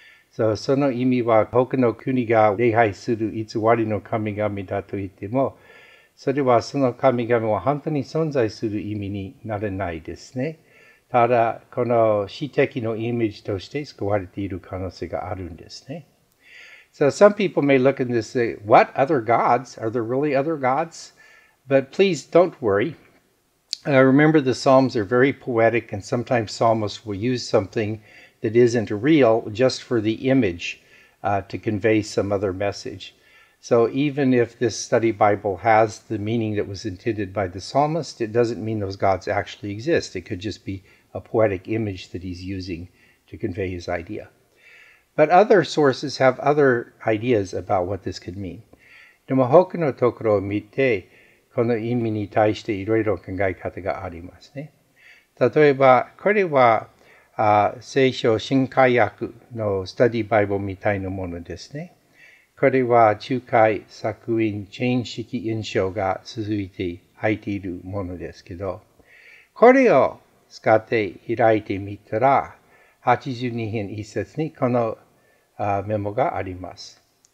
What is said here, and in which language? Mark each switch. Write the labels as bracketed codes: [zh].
[ja] その意味は他の国が礼拝する偽りの神々だと言っても、それはその神々は本当に存在する意味にならないですね。ただ、この詩的のイメージとして使われている可能性があるんですね。 [en] So some people may look at this and say, what other gods? Are there really other gods? But please don't worry. Remember the Psalms are very poetic and sometimes psalmists will use something that isn't real just for the image, to convey some other message. So even if this study Bible has the meaning that was intended by the psalmist, it doesn't mean those gods actually exist. It could just be a poetic image that he's using to convey his idea. But other sources have other ideas about what this could mean. [ja] でも他のところを見て、この意味に対していろいろ考え方がありますね。例えば、これは聖書新改訳の study Bible みたいなものですね。これは仲介作品チェーン式印象が続いて入っているものですけど、これを使って開いてみたら、82編1節にこのメモがあります。